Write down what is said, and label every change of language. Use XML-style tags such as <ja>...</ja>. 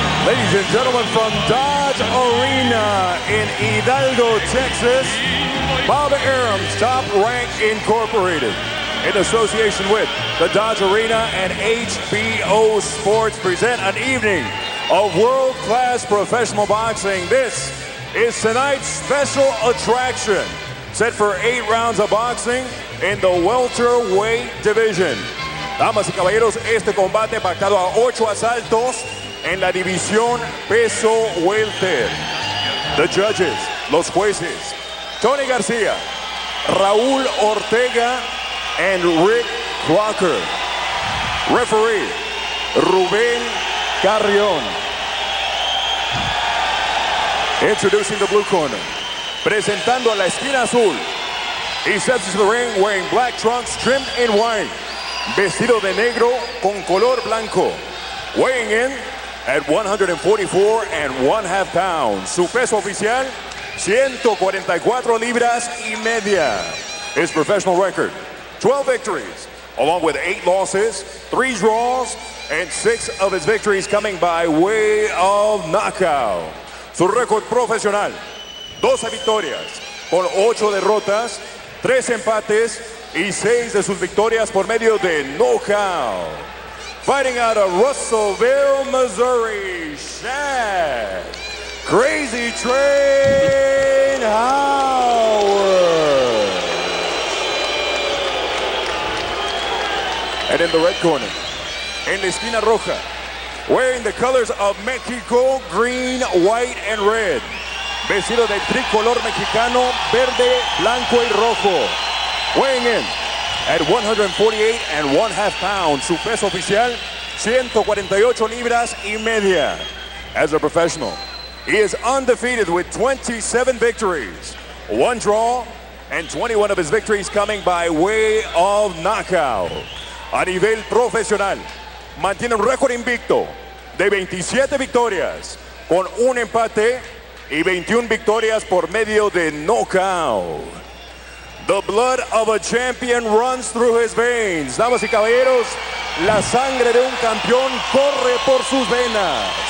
<en>Ladies and gentlemen, from Dodge Arena in Hidalgo, Texas, Bob Arum's Top Rank Incorporated, in association with the Dodge Arena and HBO Sports, present an evening of world-class professional boxing. This is tonight's special attraction, set for eight rounds of boxing in the welterweight division.</en> <es>Damas y caballeros, este combate pactado a ocho asaltos en la división peso welter.</es> <en>The judges,</en> <es>los jueces,</es> <en>Tony Garcia, Raúl Ortega, and Rick Walker. Referee, Rubén Carrión. Introducing the blue corner,</en> <es>presentando a la esquina azul.</es> <en>He steps into the ring wearing black trunks trimmed in white.</en> <es>Vestido de negro con color blanco,</es> <en>weighing in at 144.5 pounds.</en> <es>Su peso oficial, 144 libras y media.</es> <en>His professional record, 12 victories, along with 8 losses, 3 draws, and 6 of his victories coming by way of knockout.</en> <es>Su record profesional, 12 victorias con 8 derrotas, 3 empates, y 6 de sus victorias por medio de knockout.</es> <en>Fighting out of Russellville, Missouri, Shad Crazy Train Howard. And in the red corner,</en> <es>en la esquina roja,</es> <en>wearing the colors of Mexico, green, white, and red.</en> <es>Vestido de tricolor mexicano, verde, blanco, y rojo.</es> <en>Weighing in at 148 and one half pounds.</en> <es>Su peso oficial, 148 libras y media.</es> <en>As a professional, he is undefeated with 27 victories, 1 draw, and 21 of his victories coming by way of knockout.</en> <es>A nivel profesional, mantiene un récord invicto de 27 victorias con un empate y 21 victorias por medio de knockout.</es> <en>The blood of a champion runs through his veins.</en> <es>Damas y caballeros, la sangre de un campeón corre por sus venas.</es>